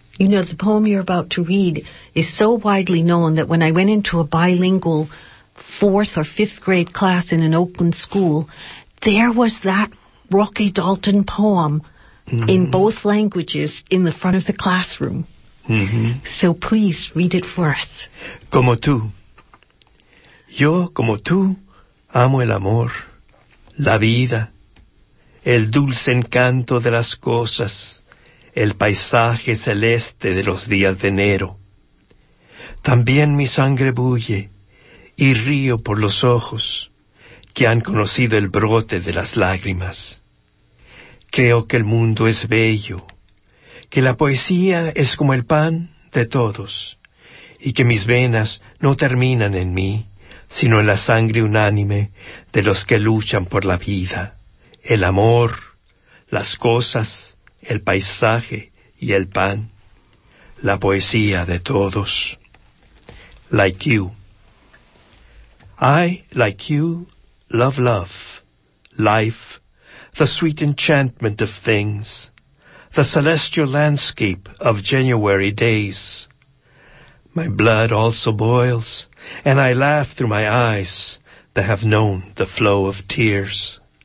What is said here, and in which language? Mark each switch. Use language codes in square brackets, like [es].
[en] You know, the poem you're about to read is so widely known that when I went into a bilingual fourth or fifth grade class in an Oakland school, there was that Roque Dalton poem in both languages in the front of the classroom. So please read it for us. [es] Como tú. Yo, como tú, amo el amor, la vida, el dulce encanto de las cosas, el paisaje celeste de los días de enero. También mi sangre bulle y río por los ojos que han conocido el brote de las lágrimas. Creo que el mundo es bello, que la poesía es como el pan de todos, y que mis venas no terminan en mí, sino en la sangre unánime de los que luchan por la vida, el amor, las cosas, el paisaje y el pan, la poesía de todos. [en] Like you. I, like you, love love, life, the sweet enchantment of things, the celestial landscape of January days. My blood also boils, and I laugh through my eyes that have known the flow of tears.